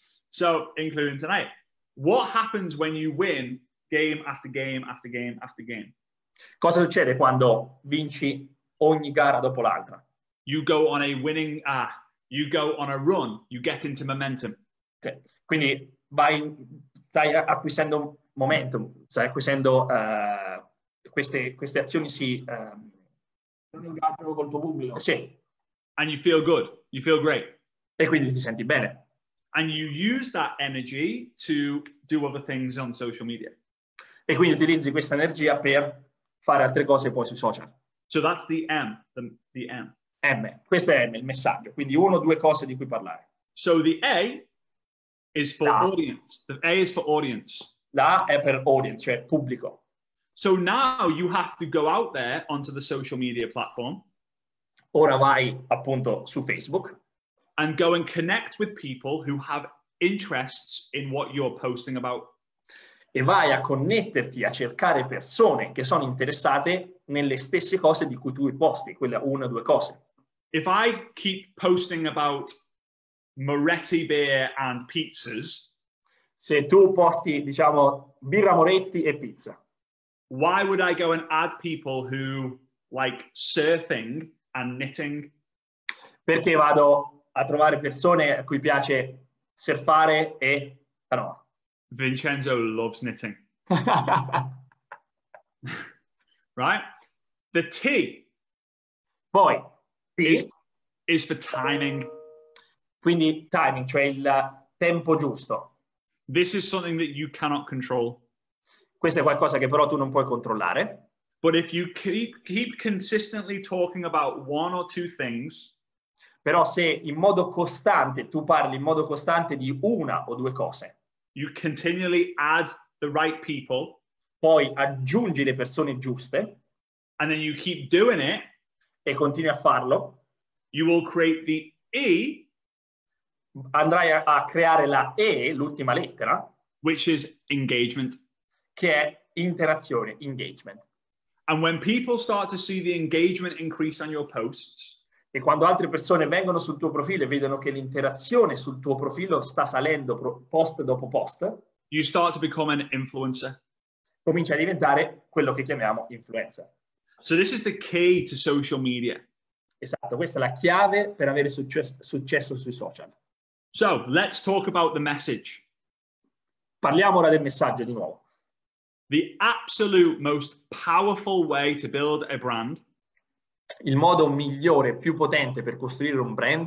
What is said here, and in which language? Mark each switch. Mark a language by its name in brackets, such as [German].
[English] So, including tonight, what happens when you win game after game after game after game? [Italian] Cosa succede quando vinci ogni gara dopo l'altra? [English] You go on a winning, you go on a run, you get into momentum. [Italian] Quindi stai acquisendo momentum, stai acquisendo queste azioni si Engaggio col tuo pubblico. sì. E [English] And you feel good, you feel great. [Italian] quindi ti senti bene. [English] And you use that energy to do other things on social media. [Italian] E quindi utilizzi questa energia per fare altre cose poi sui social. [English] So that's the M. [Italian] M, questo è M, il messaggio, quindi uno o due cose di cui parlare. [English] So the A is for audience. The A is for audience. [Italian] La è per audience, cioè pubblico. [English] So now you have to go out there onto the social media platform. [Italian] Ora vai appunto su Facebook. [English] And go and connect with people who have interests in what you're posting about. [Italian] E vai a connetterti, a cercare persone che sono interessate nelle stesse cose di cui tu posti, quella una o due cose. [English] If I keep posting about Moretti beer and pizzas, [Italian] Se tu posti, diciamo, birra Moretti e pizza. [English] why would I go and add people who like surfing and knitting? [Italian] Perché vado a trovare persone a cui piace surfare e però. [English] Vincenzo loves knitting. Right? The T [Italian] Poi, sì. [English] is for timing. [Italian] Quindi timing, cioè il tempo giusto. [English] This is something that you cannot control. [Italian] Questo è qualcosa che però tu non puoi controllare. [English] But if you keep consistently talking about one or two things, [Italian] Però se in modo costante tu parli in modo costante di una o due cose, [English] you continually add the right people, [Italian] poi aggiungi le persone giuste [English] and then you keep doing it, [Italian] e continui a farlo, [English] you will create the E, [Italian] andrai a creare la E, l'ultima lettera, [English] which is engagement. [Italian] che è interazione, engagement. [English] And when people start to see the engagement increase on your posts, [Italian] E quando altre persone vengono sul tuo profilo e vedono che l'interazione sul tuo profilo sta salendo post dopo post, [English] you start to become an influencer. [Italian] comincia a diventare quello che chiamiamo influencer. [English] So this is the key to social media. [Italian] Esatto, questa è la chiave per avere successo sui social. [English] So let's talk about the message. [Italian] Parliamo ora del messaggio di nuovo. [English] The absolute most powerful way to build a brand, [Italian] Il modo migliore, più potente per costruire un brand,